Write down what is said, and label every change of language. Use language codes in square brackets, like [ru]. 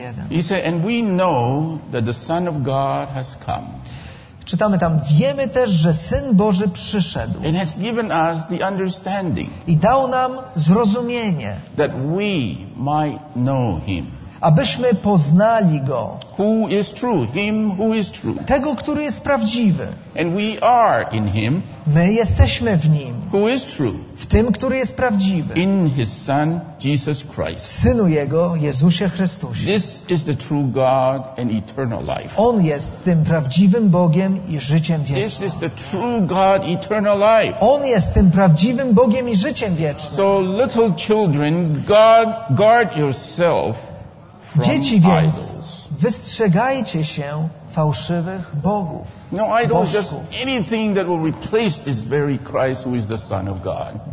[en] He said, and we know that the Son of God has come. [pl] Czytamy tam, wiemy też, że Syn Boży przyszedł. [en] And has given us the understanding. [pl] I dał nam zrozumienie. [en] That we might know him. [pl] abyśmy poznali go. [en] Who is true? Him who is true. [pl] Tego, który jest prawdziwy. [en] And we are in him. [pl] My jesteśmy w nim. [en] Who is true? [pl] W tym, który jest prawdziwy. [en] In his son Jesus Christ. [pl] W synu jego, Jezusie Chrystusie. [en] This is the true God and eternal life. [pl] On jest tym prawdziwym Bogiem i życiem wiecznym. [en] This is the true God, eternal life. [pl] On jest tym prawdziwym Bogiem i życiem wiecznym. [en] So little children, God, guard yourself. [pl] Dzieci więc, wystrzegajcie się fałszywych bogów. [en] No, idols, just anything that will replace this very Christ who is the Son of God.